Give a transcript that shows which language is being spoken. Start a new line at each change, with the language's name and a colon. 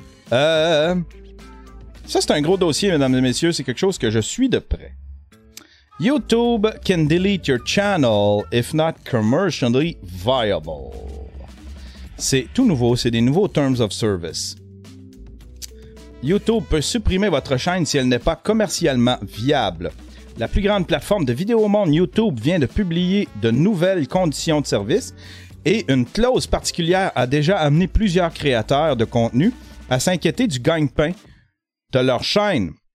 French: Ça, c'est un gros dossier, mesdames et messieurs. C'est quelque chose que je suis de près.
English: YouTube can delete your channel if not commercially viable.
French: C'est tout nouveau. C'est des nouveaux
English: terms of service.
French: YouTube peut supprimer votre chaîne si elle n'est pas commercialement viable. La plus grande plateforme de vidéos au monde, YouTube, vient de publier de nouvelles conditions de service et une clause particulière a déjà amené plusieurs créateurs de contenu à s'inquiéter du gagne-pain de leur chaîne.